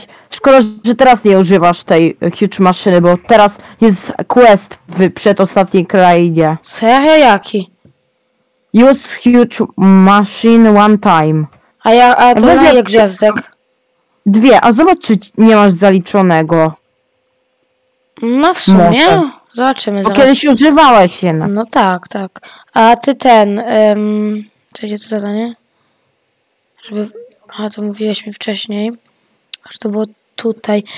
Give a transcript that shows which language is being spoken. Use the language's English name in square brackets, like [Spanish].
[Polish] Szkoda, że teraz nie używasz tej huge maszyny, bo teraz jest quest w przedostatniej krainie. Serio jaki? [English] Use huge machine one time. [Polish] A to na ile gwiazdek? Dwie, a zobacz, czy nie masz zaliczonego. No w sumie. Może. Zobaczymy. Bo kiedyś używałeś je. No tak, tak. A ty ten, co jest to zadanie? Żeby... A to mówiłeś mi wcześniej. Aż to było tutaj.